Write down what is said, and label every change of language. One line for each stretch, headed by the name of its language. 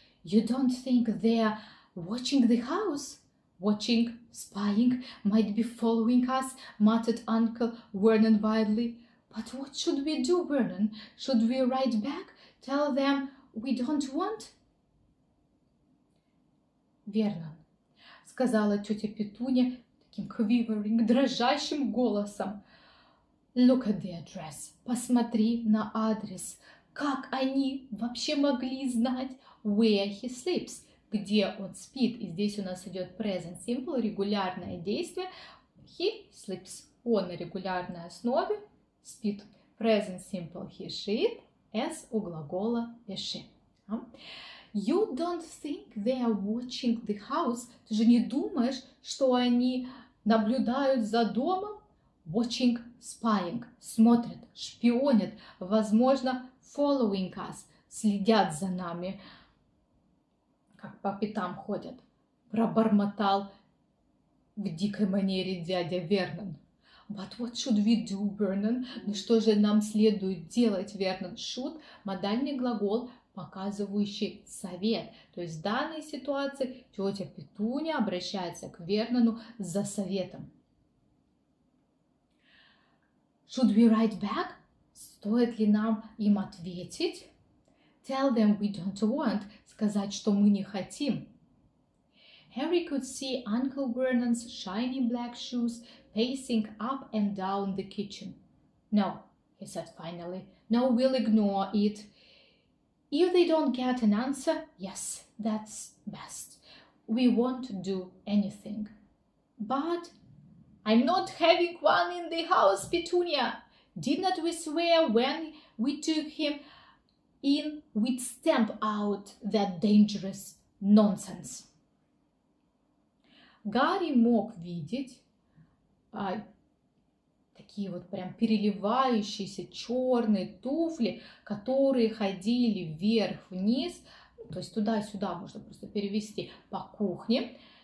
English: You don't think they're watching the house? Watching, spying, might be following us, muttered Uncle Vernon wildly. But what should we do, Vernon? Should we write back, tell them we don't want?
Russian: Верно, сказала тетя Петунья таким quivering, дрожащим голосом.
English: Look at the address.
Russian: Посмотри на адрес. Как они вообще могли знать
English: where he sleeps?
Russian: Где он спит? И здесь у нас идет present simple, регулярное действие.
English: He sleeps.
Russian: Он на регулярной основе спит. Present simple, he sheet. S у глагола ishi.
English: You don't think they are watching the house?
Russian: Ты же не думаешь, что они наблюдают за домом?
English: Watching, spying,
Russian: смотрят, шпионят, возможно,
English: following us,
Russian: следят за нами, как по пятам ходят, пробормотал в дикой манере дядя Вернон.
English: But what should we do, Vernon?
Russian: Ну что же нам следует делать, Вернон? Should, модальный глагол, показывающий совет. То есть в данной ситуации тетя Петунья обращается к Вернону за советом.
English: Should we write back?
Russian: Стоит ли нам им ответить?
English: Tell them we don't want.
Russian: Сказать, что мы не хотим.
English: Harry could see Uncle Vernon's shiny black shoes pacing up and down the kitchen. No, he said finally. No, we'll ignore it. If they don't get an answer, yes, that's best. We won't do anything. But I'm not having one in the house, Petunia. Didn't we swear when we took him in we'd stamp out that dangerous nonsense?
Russian: Гарри мог видеть такие вот прям переливающиеся черные туфли, которые ходили вверх-вниз, то есть туда-сюда можно просто перевести по кухне.